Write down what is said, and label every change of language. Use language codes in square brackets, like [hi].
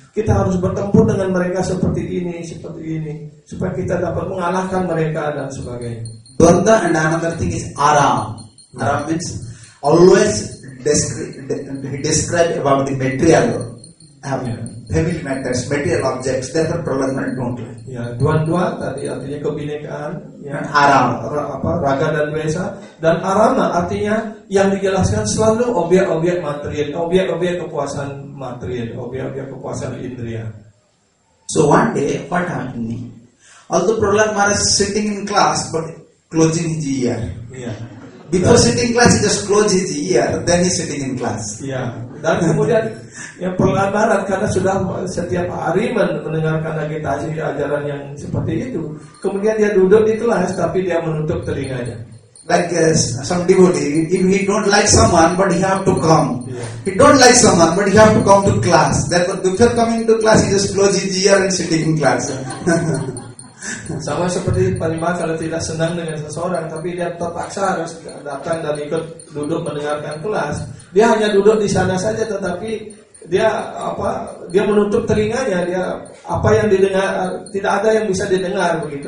[id] Kita harus bertempur dengan mereka seperti ini, supaya kita dapat mengalahkan mereka dan sebagainya. [en] Dvanda and another thing is aram. Aram means always describe about the material heavy matters, material objects, therefore prolongment won't lie. [id] Ya, dwanda tadi artinya kebinekaan, ya, arama, apa, raga dan dvesa, dan arama artinya yang dijelaskan selalu objek-objek material, objek-objek kepuasan material, objek-objek kepuasan indria. [en] So one day, what happened? Although Prahlad Maharaj is sitting in class, but closing his ear. Yeah. Before sitting class, he just closes his ear, then he's sitting in class. Yeah. [id] Dan kemudian, yang Prahlad Maharaj, karena sudah setiap hari mendengarkan agitasi ajaran yang seperti itu, kemudian dia duduk di kelas, tapi dia menutup telinganya. [en] Like some devotee, if he don't like someone, but he have to come. Yeah. He don't like someone, but he have to come to class. Therefore, before coming to class, he just closes his ear and sitting in class. [id] Sama seperti Panima kalau tidak senang dengan seseorang, tapi dia terpaksa harus datang dan ikut duduk mendengarkan kelas. Dia hanya duduk di sana saja, tetapi dia apa? Dia menutup telinganya. Dia apa yang didengar? Tidak ada yang bisa didengar begitu.